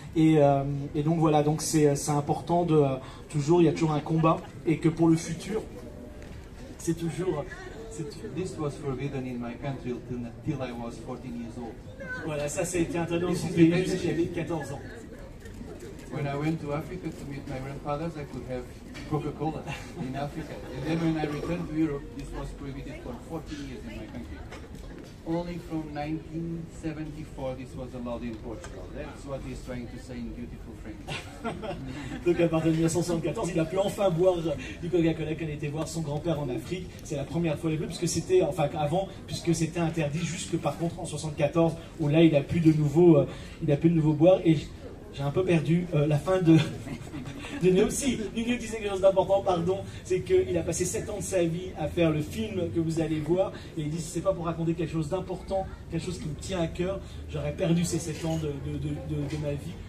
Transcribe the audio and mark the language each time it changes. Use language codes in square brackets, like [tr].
[fr] Et donc voilà, donc c'est important de toujours, il y a toujours un combat, et que pour le futur, c'est toujours. [en] This was forbidden in my country until I was 14 years old. [fr] Voilà, ça a été interdit en son pays jusqu'à 14 ans. [en] when I went to Africa to meet my grandfathers, I could have Coca-Cola in Africa. And then when I returned to Europe, this was prohibited for 14 years in my country. Only from 1974 this was allowed in Portugal. That's what he's trying to say in beautiful French. [fr] Donc à partir de 1974, il a pu enfin boire du Coca-Cola qu'il était voir son grand-père en Afrique. C'est la première fois les bleus, puisque c'était, enfin avant, puisque c'était interdit jusque par contre en 1974, où là il a pu de nouveau, il a pu de nouveau boire. Et j'ai un peu perdu la fin de... aussi, Nuno disait quelque chose d'important, pardon, c'est qu'il a passé 7 ans de sa vie à faire le film que vous allez voir, et il dit, si c'est pas pour raconter quelque chose d'important, quelque chose qui me tient à cœur, j'aurais perdu ces 7 ans de ma vie.